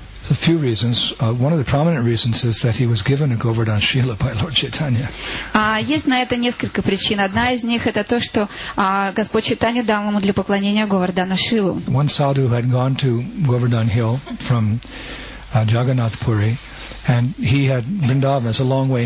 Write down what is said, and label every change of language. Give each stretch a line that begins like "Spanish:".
English: A few reasons. One of the prominent reasons is that he was given a Govardhan Shila by Lord Chaitanya.
Russian: Есть на это несколько причин. Одна из них это то, что Господь Чайтанья дал ему для поклонения Говардхана Шилу.
English: One sadhu had gone to Govardhan Hill from Jagannath Puri, and he had Vrindavan. It's a long way.